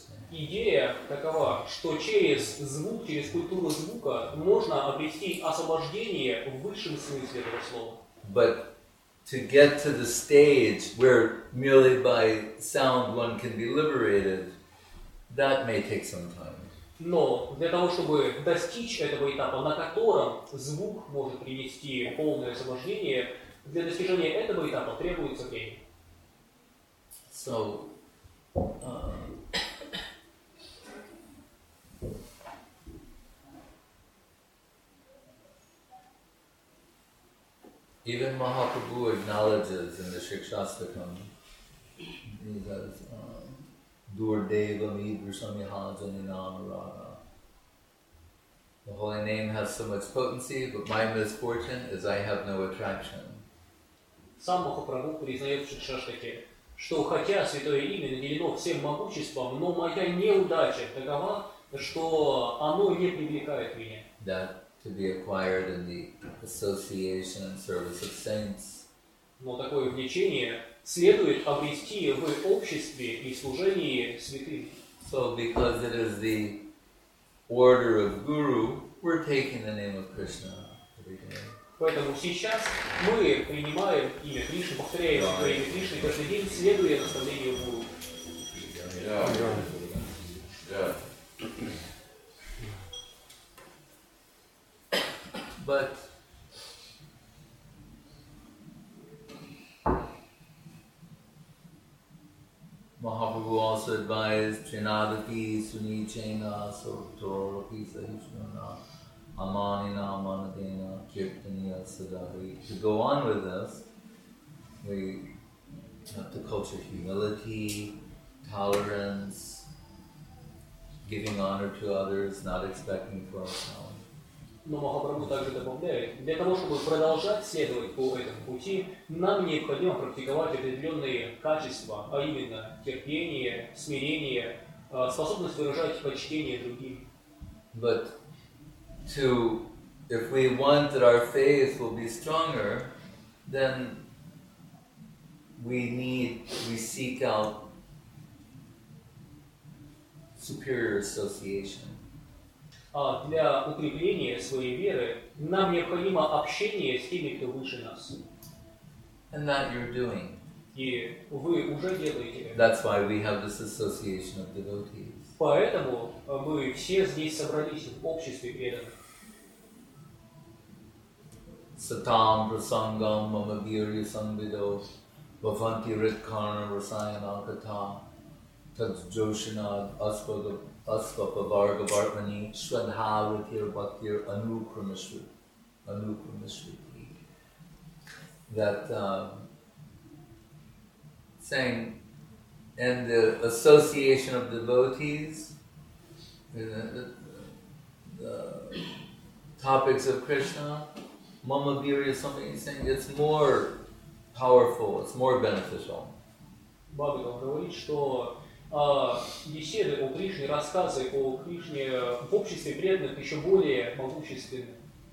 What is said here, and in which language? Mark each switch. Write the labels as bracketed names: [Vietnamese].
[Russian] Идея такова, что через звук, через культуру звука можно обрести освобождение в высшем смысле этого слова. [English] But to get to the stage where merely by sound one can be liberated, that may take some time. [Russian] Но для того, чтобы достичь этого этапа, на котором звук может принести полное освобождение, для достижения этого этапа требуется время. [English] So, even Mahaprabhu acknowledges in the Shikshastakam, he says, [Sanskrit] Dur Deva Midra Samyahaja Ninam Rana. [English] The holy name has so much potency, but my misfortune is I have no attraction. [Russian] Сам Махапрабху признает в Шикшаштаке, что хотя святое имя наделено всем могуществом, но моя неудача такова, что оно не привлекает меня. [English] That to be acquired in the association and service of saints. [Russian] Но такое влечение следует обрести в обществе и служении святым. [English] So because it is the order of guru, we're taking the name of Krishna every day. [Russian] Поэтому сейчас мы принимаем имя Кришны, повторяем свое имя Кришны каждый день, следуя наставлению Гуру. [English] But Mahaprabhu also advised [Sanskrit] Trinadati Sunichena Sotoropi Sahishnana Amanina Manadena Kirtaniya Sadhari. [English] To go on with this, we have to culture humility, tolerance, giving honor to others, not expecting for ourselves. [Russian] Но Махапрабху также добавляет, для того, чтобы продолжать следовать по этому пути, нам необходимо практиковать определенные качества, а именно терпение, смирение, способность выражать почтение другим. [English] But to, if we want that our faith will be stronger, then we seek out superior association. [Russian] А для укрепления своей веры нам необходимо общение с теми, кто выше нас. [English] And that you're doing. [Russian] И вы уже делаете. [English] That's why we have this association of devotees. [Russian] Поэтому мы все здесь собрались в обществе преданных. [Sanskrit] Сатам прасангам мама вирья санвидо бхаванти риткарна расайана катха таджошинад аспада Asvapa Varga Bartmani Shraddha Ruthir Bhaktir Anukramashruti. [English] That saying, and the association of devotees, the topics of Krishna, [Sanskrit] Mama Virya, [English] something he's saying, it's more powerful, it's more beneficial. [Russian] Bhagavan говорит, что беседы о Кришне, рассказы о Кришне в обществе преданных еще более могущественны.